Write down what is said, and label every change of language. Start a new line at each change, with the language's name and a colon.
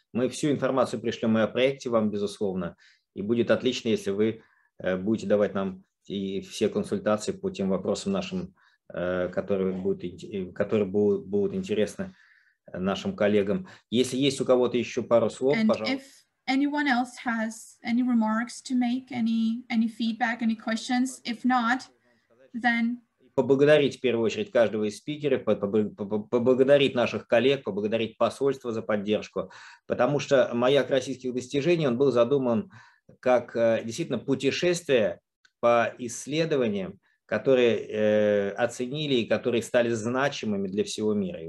Russian: Мы всю информацию пришлем о проекте вам, безусловно, и будет отлично, если вы будете давать нам и все консультации по тем вопросам нашим, которые будут интересны нашим коллегам. Если есть у кого-то еще пару слов, пожалуйста.
English: If anyone else has any remarks to make, any feedback, any questions, if not, then...
Russian: Поблагодарить в первую очередь каждого из спикеров, поблагодарить наших коллег, поблагодарить посольство за поддержку, потому что «Маяк российских достижений», он был задуман как действительно путешествие по исследованиям, которые оценили и которые стали значимыми для всего мира.